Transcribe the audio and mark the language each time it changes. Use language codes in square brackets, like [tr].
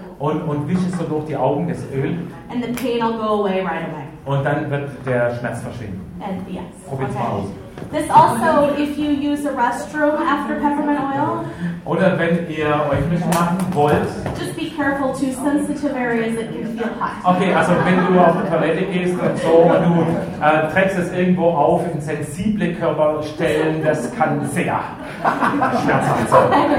[de] Und wisch es so durch die Augen, das Öl. [en] And the pain will go away right away. [de] Und dann wird der Schmerz verschwinden. [en] And yes. [de] Probier's mal aus. [en] This also, if you use a restroom after peppermint oil. [de] Oder wenn ihr euch mitmachen wollt. [en] Just be careful to sensitive areas that can feel hot. [de] Okay, also wenn du auf die Toilette gehst und so, und du trägst es irgendwo auf in sensible Körperstellen, das kann sehr schmerzhaft sein.